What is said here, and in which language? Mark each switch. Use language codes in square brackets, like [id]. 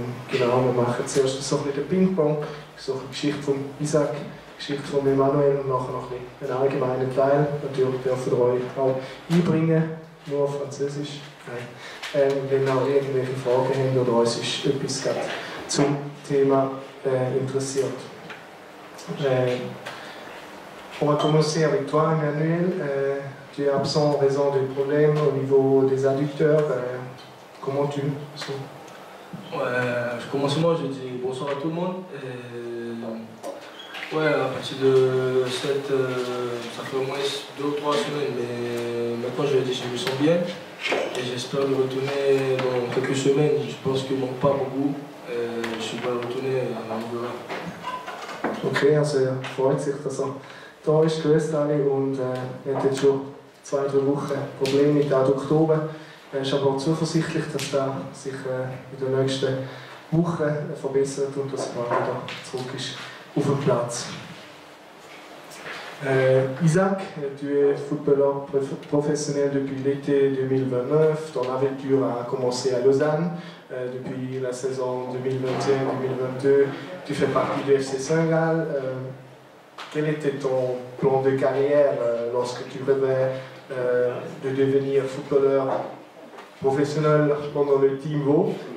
[de] Genau, wir machen zuerst so ein bisschen Ping-Pong, so eine Geschichte von Isaac, Geschichte von Emmanuel und nachher noch einen allgemeinen Teil. Natürlich dürfen wir euch auch einbringen, nur auf Französisch. Wenn ihr irgendwelche Fragen habt oder uns ist etwas gerade zum Thema interessiert. [fr] On va commencer avec toi, Emmanuel. Tu es absent en raison des problèmes au niveau des adducteurs. Comment tu sens? Ouais, je commence moi, je dis bonsoir à tout le monde. Et, ouais, à partir de cette. Ça fait au moins 2 ou 3 semaines, mais maintenant je me sens bien. Et j'espère me retourner dans quelques semaines. Je pense qu'il ne manque pas beaucoup. Et, je vais retourner à l'Angola. [de] Ok, also, freut sich, dass er da ist. Grüßt alle und ihr habt jetzt schon 2-3 Wochen Probleme mit Adduktoren. Er ist aber auch zuversichtlich, dass er sich in den nächsten Wochen verbessert und dass er bald wieder zurück ist auf dem Platz. [fr] Isaac, tu es footballeur professionnel depuis l'été 2029. Ton aventure a commencé à Lausanne. Depuis la saison 2021-2022, tu fais partie du FC Saint-Gall. Quel était ton plan de carrière lorsque tu rêvais de devenir footballeur professionnel pendant le Team Vau?